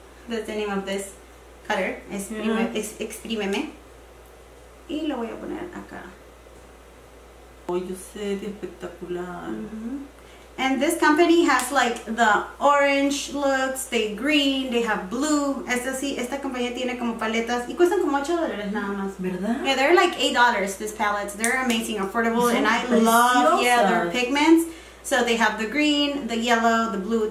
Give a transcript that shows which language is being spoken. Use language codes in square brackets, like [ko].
[en] That's the name of this cutter. Exprímeme. [es] Y lo voy a poner acá. Oh, yo sé, espectacular. [en] And this company has like the orange looks, they green, they have blue. [es] Esta sí, esta compañía tiene como paletas y cuestan como $8 nada más. ¿Verdad? [en] Yeah, they're like $8, these palettes. They're amazing, affordable, and I love, yeah, their pigments. So they have the green, the yellow, the blue.